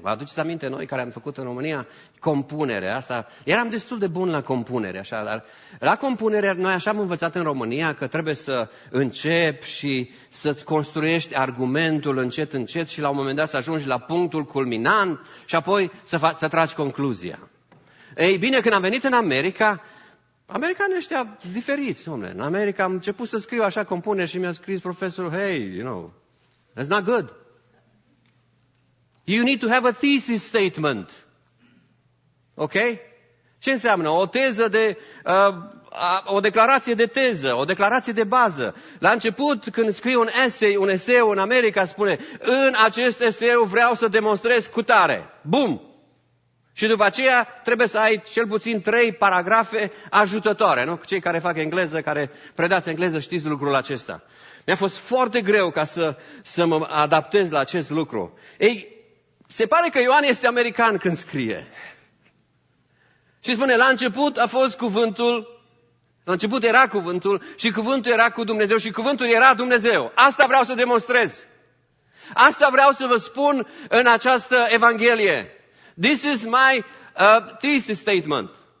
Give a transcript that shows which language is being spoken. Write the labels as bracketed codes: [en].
[ro] Vă aduceți aminte noi care am făcut în România compunere? Asta, eram destul de bun la compunere, așa, dar la compunere noi așa am învățat în România că trebuie să începi și să-ți construiești argumentul încet, încet și la un moment dat să ajungi la punctul culminant și apoi să tragi concluzia. Ei bine, când am venit în America... Americanii ăștia diferiți, domnule. În America am început să scriu așa compune și mi-a scris profesorul, [en] hey, you know, that's not good. You need to have a thesis statement. [ro] Ok? Ce înseamnă? O teză de... o declarație de teză, o declarație de bază. La început, când scriu un essay, un eseu în America, spune, în acest eseu vreau să demonstrez cu tare. Bum! Și după aceea trebuie să ai cel puțin trei paragrafe ajutătoare, nu? Cei care fac engleză, care predați engleză, știți lucrul acesta. Mi-a fost foarte greu ca să mă adaptez la acest lucru. Ei, se pare că Ioan este american când scrie. Și spune, la început a fost cuvântul, la început era cuvântul și cuvântul era cu Dumnezeu și cuvântul era Dumnezeu. Asta vreau să demonstrez. Asta vreau să vă spun în această evanghelie. [en] This is my thesis statement.